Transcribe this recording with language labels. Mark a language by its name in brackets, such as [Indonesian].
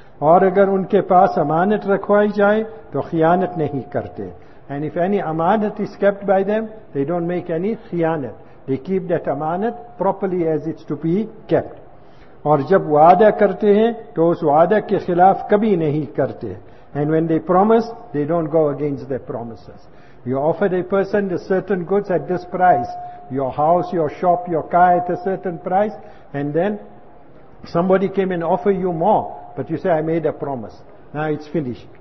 [Urdu] اور اگر ان کے پاس امانت رکھوائی جائے تو خیانت نہیں کرتے. [English] And if any amanat is kept by them, they don't make any khiyanat. They keep that amanat properly as it's to be kept. [Urdu] اور جب وعدہ کرتے ہیں تو اس وعدہ کے خلاف کبھی نہیں کرتے. [English] And when they promise, they don't go against their promises. You offered a person the certain goods at this price, your house, your shop, your car at a certain price, and then somebody came and offered you more, but you say, I made a promise. Now it's finished.